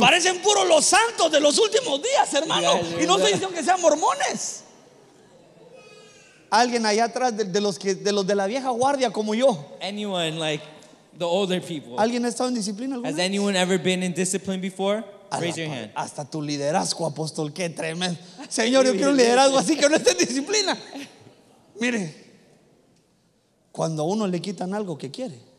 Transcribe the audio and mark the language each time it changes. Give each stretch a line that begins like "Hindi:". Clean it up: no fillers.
Spanish: Parecen puros los santos de los últimos días, hermano. Y no estoy diciendo que sean mormones. Alguien allá atrás de los de la vieja guardia como yo.
English: Anyone like the older people.
Spanish: ¿Alguien ha estado en disciplina alguna vez?
English: Has anyone ever been in discipline before? Raise your hand.
Spanish: Hasta tu liderazgo, apóstol, qué tremendo. Señor, yo quiero un liderazgo así que no esté en disciplina. Mire, cuando a uno le quitan algo que quiere.